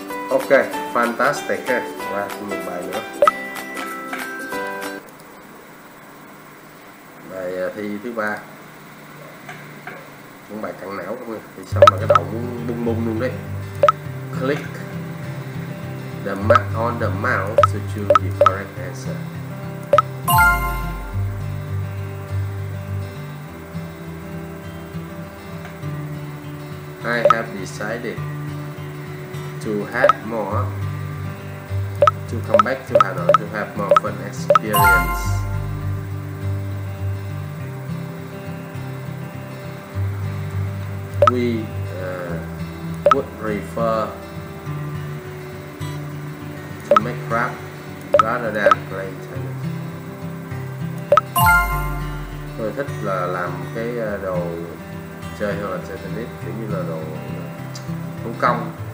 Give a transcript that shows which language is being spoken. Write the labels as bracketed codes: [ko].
[en] Ok, fantastic [vi] ha. Và một bài nữa. Bài thi thứ 3. Một bài căng não không nè. Thì xong mà cái đầu muốn bung bung luôn đấy. [en] Click the mark on the mouse to choose the correct answer. I have decided to have more, to come back to Hà Nội to have more fun experience. We would prefer to make crap rather than play tennis. [vi] Tôi thích là làm cái đồ chơi hơn là chơi tennis, kiểu như là đồ thủ công.